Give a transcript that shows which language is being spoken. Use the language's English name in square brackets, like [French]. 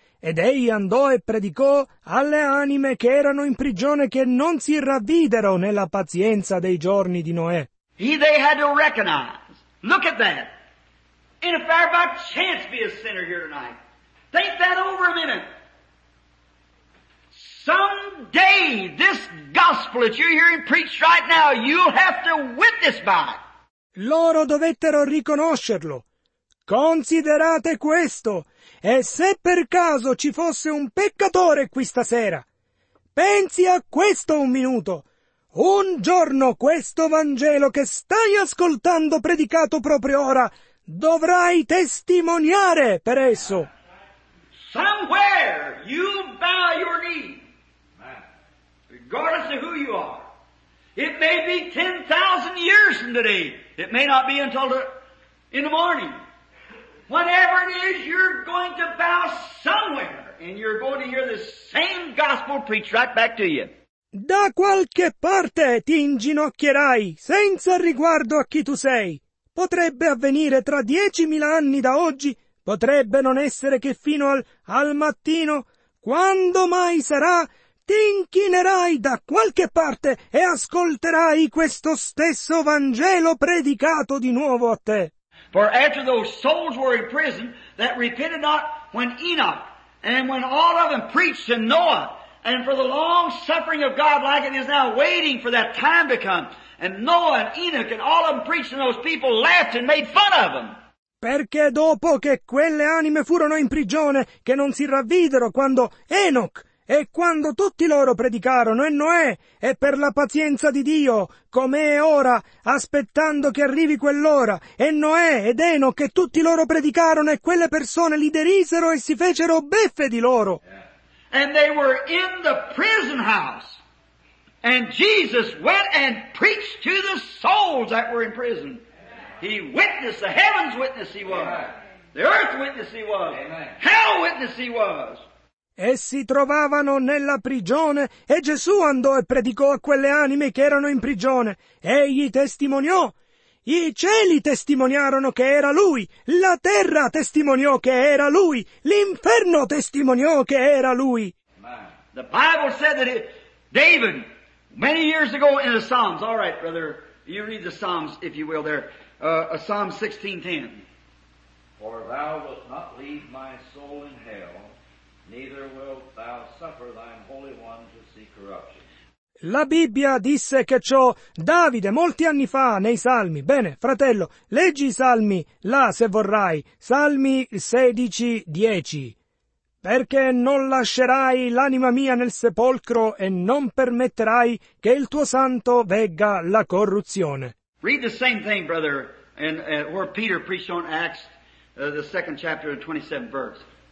[Italian] Ed egli andò e predicò alle anime che erano in prigione che non si ravvidero nella pazienza dei giorni di Noè. [English] He they had to recognize. Look at that. And if there by chance be a sinner here tonight, think that over a minute. Someday this gospel that you're hearing preached right now, you'll have to witness by. [Italian] Loro dovettero riconoscerlo. Considerate questo, e se per caso ci fosse un peccatore qui stasera, pensi a questo un minuto. Un giorno questo Vangelo che stai ascoltando predicato proprio ora, dovrai testimoniare per esso. [English] Somewhere you bow your knee, regardless of who you are. It may be 10,000 years from today. It may not be until in the morning. Whatever it is, you're going to bow somewhere and you're going to hear the same gospel preached right back to you. [Italian] Da qualche parte ti inginocchierai, senza riguardo a chi tu sei. Potrebbe avvenire tra 10.000 anni da oggi, potrebbe non essere che fino al mattino. Quando mai sarà, ti inchinerai da qualche parte e ascolterai questo stesso Vangelo predicato di nuovo a te. [English] For after those souls were in prison that repented not when Enoch and when all of them preached to Noah and for the long suffering of God like it is now waiting for that time to come and Noah and Enoch and all of them preached and those people laughed and made fun of them. [Italian] Perché dopo che quelle anime furono in prigione che non si ravvidero quando Enoch e quando tutti loro predicarono e Noè e per la pazienza di Dio come è ora aspettando che arrivi quell'ora e Noè ed Enoch e tutti loro predicarono e quelle persone li derisero e si fecero beffe di loro. [English] And they were in the prison house and Jesus went and preached to the souls that were in prison. He witnessed, the heaven's witness he was. The earth witness he was. Hell witness he was. [Italian] Essi trovavano nella prigione e Gesù andò e predicò a quelle anime che erano in prigione. Egli testimoniò. I cieli testimoniarono che era lui. La terra testimoniò che era lui. L'inferno testimoniò che era lui. [English] The Bible said that David, many years ago in the Psalms, all right, brother, you read the Psalms, if you will, there, Psalm 16:10. For thou wilt not leave my soul in hell, neither wilt thou suffer thine holy one to see corruption. [Italian] La Bibbia disse che ciò Davide molti anni fa nei Salmi. Bene, fratello, leggi i Salmi là se vorrai. Salmi 16:10. Perché non lascerai l'anima mia nel sepolcro e non permetterai che il tuo santo vegga la corruzione. [English] Read the same thing, brother, and where Peter preached on Acts, the second chapter, the 27th verse.